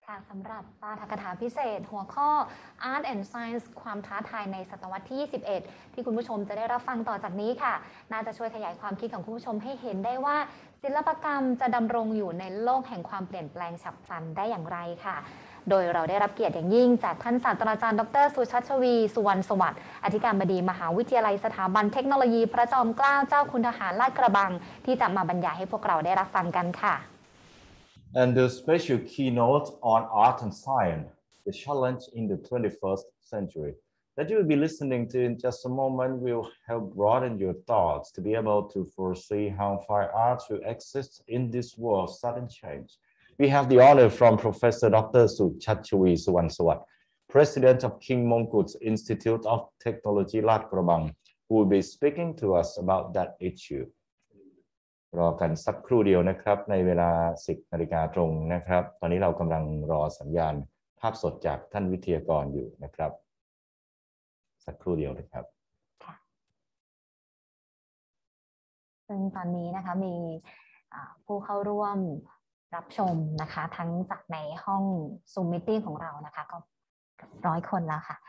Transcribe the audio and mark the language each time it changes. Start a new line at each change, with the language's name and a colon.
Thai: สำหรับปาฐกถาพิเศษหัวข้อ
English: Art and Science
Thai: ความท้าทายในศตวรรษที่21ที่คุณผู้ชมจะได้รับฟังต่อจากนี้ค่ะน่าจะช่วยขยายความคิดของคุณผู้ชมให้เห็นได้ว่าศิลปกรรมจะดำรงอยู่ในโลกแห่งความเปลี่ยนแปลงฉับพลันได้อย่างไรค่ะโดยเราได้รับเกียรติอย่างยิ่งจากท่านศาสตราจารย์ดร. สุชัชวีสุวรรณสวัสดิ์อธิการบดีมหาวิทยาลัยสถาบันเทคโนโลยีพระจอมเกล้าเจ้าคุณทหารลาดกระบังที่จะมาบรรยายให้พวกเราได้รับฟังกันค่ะ
English: And the special keynote on art and science, the challenge in the 21st century that you will be listening to in just a moment will help broaden your thoughts to be able to foresee how fine art will exist in this world of sudden change. We have the honor from Professor Dr. Suchachui Suwansawat, President of King Mongkut's Institute of Technology Lat Krabang, who will be speaking to us about that issue.
Thai: รอกันสักครู่เดียวนะครับในเวลา10นาฬิกาตรงนะครับตอนนี้เรากำลังรอสัญญาณภาพสดจากท่านวิทยากรอยู่นะครับสักครู่เดียวนะครับ ซึ่งตอนนี้นะคะมีผู้เข้าร่วมรับชมนะคะทั้งจากในห้องซูมมิตติ้งของเรานะคะก็ร้อยคนแล้วค่ะ